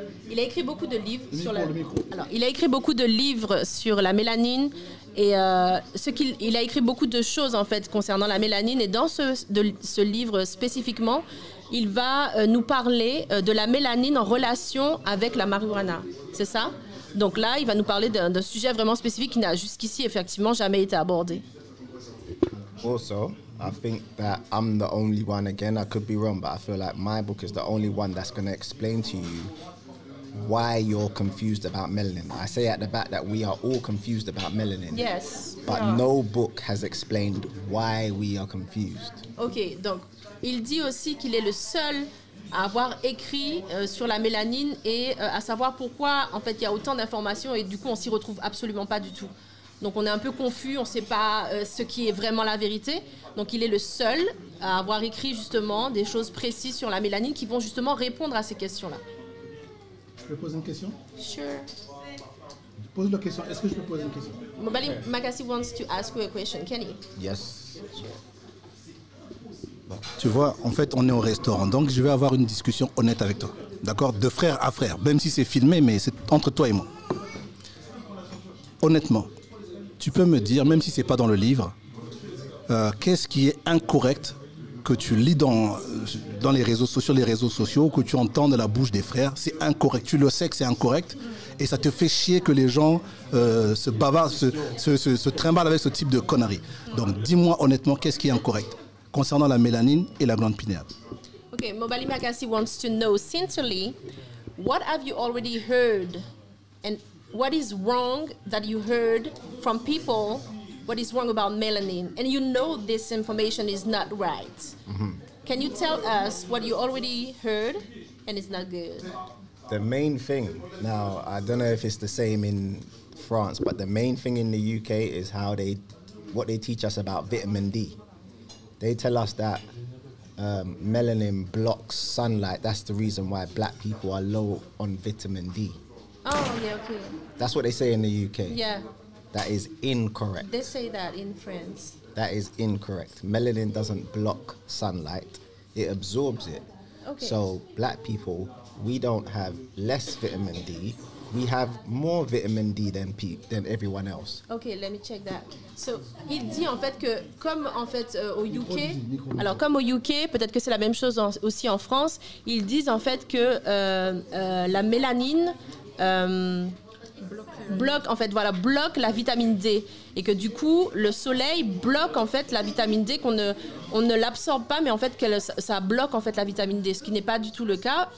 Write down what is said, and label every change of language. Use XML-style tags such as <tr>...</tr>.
<fr>Il a écrit beaucoup de livres sur la. Alors, il a écrit beaucoup de livres sur la mélanine et il a écrit beaucoup de choses en fait concernant la mélanine, et dans ce livre spécifiquement, il va nous parler de la mélanine en relation avec la marijuana. C'est ça. Donc là, il va nous parler d'un sujet vraiment spécifique qui n'a jusqu'ici effectivement jamais été abordé.</fr> <en>Also. I think that I'm the only one, again, I could be wrong, but I feel like my book is the only one that's going to explain to you why you're confused about melanin. I say at the back that we are all confused about melanin. Yes. But no book has explained why we are confused.</en> <fr>OK, donc, il dit aussi qu'il est le seul à avoir écrit sur la mélanine et à savoir pourquoi, en fait, il y a autant d'informations et du coup, on s'y retrouve absolument pas du tout. Donc, on est un peu confus, on ne sait pas ce qui est vraiment la vérité. Donc, il est le seul à avoir écrit, justement, des choses précises sur la mélanine qui vont, justement, répondre à ces questions-là. Je peux poser une question?</fr> <en>Sure.</en> <fr>Pose la question. Est-ce que je peux poser une question?</fr> <en>Mobali Makasi wants to ask you a question. Can he? Yes. Sure.</en> <fr>Bon. Tu vois, en fait, on est au restaurant. Donc, je vais avoir une discussion honnête avec toi. D'accord? De frère à frère. Même si c'est filmé, mais c'est entre toi et moi. Honnêtement. Tu peux me dire, même si ce n'est pas dans le livre, qu'est-ce qui est incorrect que tu lis dans les réseaux sociaux, que tu entends de la bouche des frères? C'est incorrect, tu le sais que c'est incorrect et ça te fait chier que les gens se bavardent, se trimballent avec ce type de conneries. Donc dis-moi honnêtement, qu'est-ce qui est incorrect concernant la mélanine et la glande pinéale?</fr> <en>Ok, Mobali Makasi wants to know sincerely, what have you already heard and what is wrong that you heard from people? What is wrong about melanin? And you know this information is not right. Mm-hmm. Can you tell us what you already heard and it's not good? The main thing, now, I don't know if it's the same in France, but the main thing in the UK is what they teach us about vitamin D. They tell us that melanin blocks sunlight. That's the reason why black people are low on vitamin D. Oh, yeah, okay. That's what they say in the UK. Yeah. That is incorrect. They say that in France. That is incorrect. Melanin doesn't block sunlight. It absorbs it. Okay. So black people, we don't have less vitamin D. We have more vitamin D than everyone else. Okay, let me check that.</en> <fr>So, il dit en fait que comme en fait au UK, alors comme au UK, peut-être que c'est la même chose aussi en France, ils disent en fait que la mélanine bloque en fait, voilà, bloque la vitamine D, et que du coup le soleil bloque en fait la vitamine D, qu'on ne l'absorbe pas, mais en fait ça bloque en fait la vitamine D, ce qui n'est pas du tout le cas.</fr>